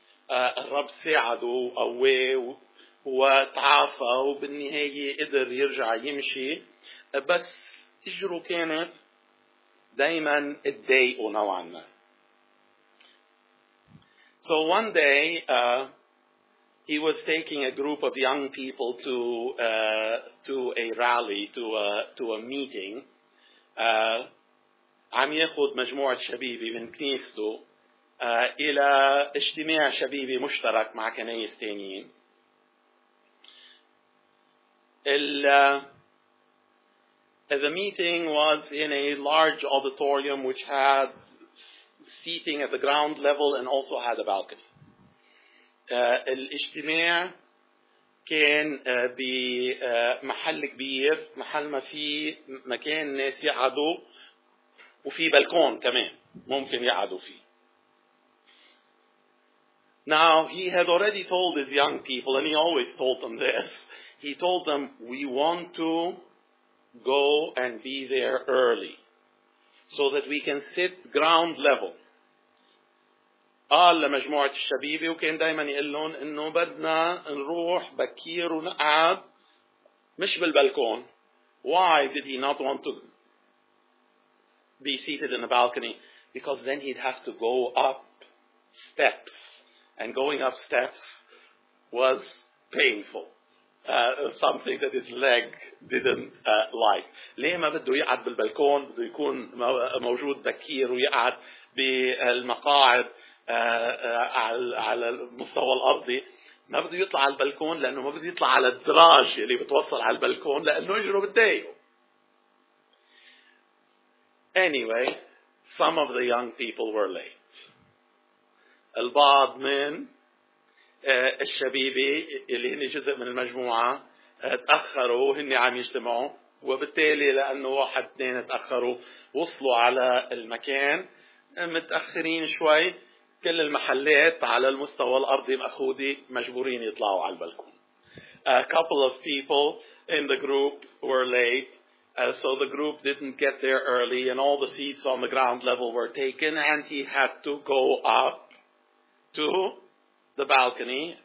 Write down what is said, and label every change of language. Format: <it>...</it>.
<ar>الرب ساعده وقويه وتعافى وبالنهاية قدر يرجع يمشي, بس إجره كانت دايما تضايقه نوعا ما.</ar> <en>So one day he was taking a group of young people to a rally, to a meeting.</en> <ar>عم ياخد مجموعة شبيبي من كنيسته إلى اجتماع شبيبي مشترك مع كنايس تانيين.</ar> <en>The meeting was in a large auditorium which had seating at the ground level and also had a balcony.</en> <ar>الاجتماع كان بمحل كبير, محل ما في مكان الناس يقعدوا وفي بلكون كمان ممكن يقعدوا فيه.</ar> <en>Now, he had already told his young people, and he always told them this. He told them, we want to go and be there early so that we can sit ground level.</en> <ar>قال لمجموعة الشبيبة وكان دايما يقول لهم انه بدنا نروح بكير ونقعد مش بالبلكون.</ar> <en>Why did he not want to be seated in the balcony? Because then he'd have to go up steps. And going up steps was painful, something that his leg didn't like.</en> <ar>ليه ما بده يقعد بالبلكون؟ بده يكون موجود بكير ويقعد بالمقاعد على المستوى الأرضي. ما بده يطلع على البلكون لأنه ما بده يطلع على الدراج اللي بتوصل على البلكون لأنه يجره بتضايقه.</ar> <en>Anyway, some of the young people were late.</en> <ar>البعض من الشبيبي اللي هني جزء من المجموعة تأخروا هني عم يجتمعوا, وبالتالي لأنه واحد اثنين تأخروا وصلوا على المكان متأخرين شوي. كل المحلات على المستوى الأرضي مأخودي مجبورين يطلعوا على البلكون.</ar> <en>A couple of people in the group were late, so the group didn't get there early and all the seats on the ground level were taken and he had to go up to the balcony.</en>